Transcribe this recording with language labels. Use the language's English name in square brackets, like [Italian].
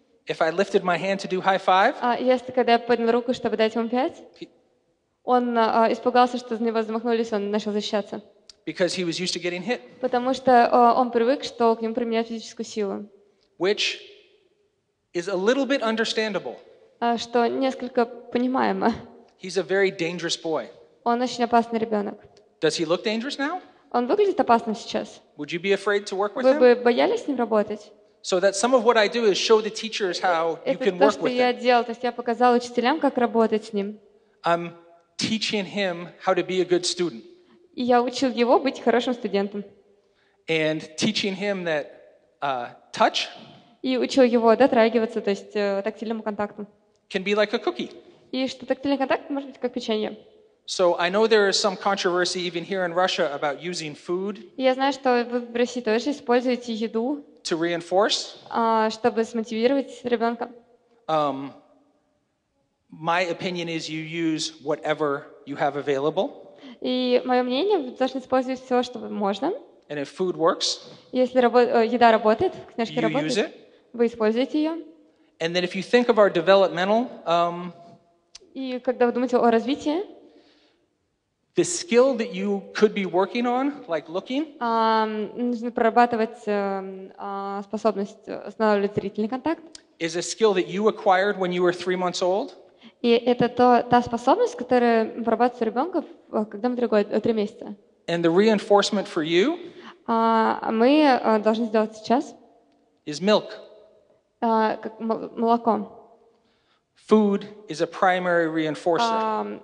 [English] If I lifted my hand to do high five. [Russian] Если когда я поднял руку, чтобы дать ему пять. Он испугался, что за него замахнулись, он начал защищаться. [English] Because he was used to getting hit. [Russian] Потому что он привык, что к нему применяют физическую силу. [English] Which is a little bit understandable. [Russian] Что несколько понимаемо. [English] He's a very dangerous boy. [Russian] Он очень опасный ребенок. [English] Does he look dangerous now? [Russian] Он выглядит опасно сейчас. [English] Would you be afraid to work with [Russian] Вы [English] him? [Russian] Бы боялись с ним работать? [English] So that some of what I do is show the teachers how you [Russian] Это [English] can [Russian] то, [English] work with him. [Russian] Это то, что я делал, то есть я показал учителям, как работать с ним. [English] Teaching him how to be a good student. [Russian] И я учил его быть хорошим студентом. [English] And teaching him that touch. [Russian] И учил его дотрагиваться, то есть тактильному контакту. [English] Can be like a cookie. [Russian] И что тактильный контакт может быть как печенье. [English] So I know there is some controversy even here in Russia about using food. [Russian] Я знаю, что вы в России тоже используете еду. [English] To reinforce. [Russian] Чтобы смотивировать ребенка. [English] My opinion is you use whatever you have available. [Russian] И мое мнение, вы должны использовать все, что можно. [English] And if food works, [Russian] если еда работает, книжки [English] you [Russian] работают, [English] use it. [Russian] Вы используете ее. [English] And then if you think of our developmental, [Russian] и когда вы думаете о развитии, [English] The skill that you could be working on, like looking. [Russian] Нужно прорабатывать способность устанавливать зрительный контакт. [English] Is a skill that you acquired when you were 3 months old. [Russian] И это та способность, которая вырабатывается у ребенка, когда ему 3 месяца. [English] And the reinforcement for you. [Russian] Мы должны сделать сейчас. [English] Is milk. [Russian] Как молоко. [English] Food is a primary reinforcer.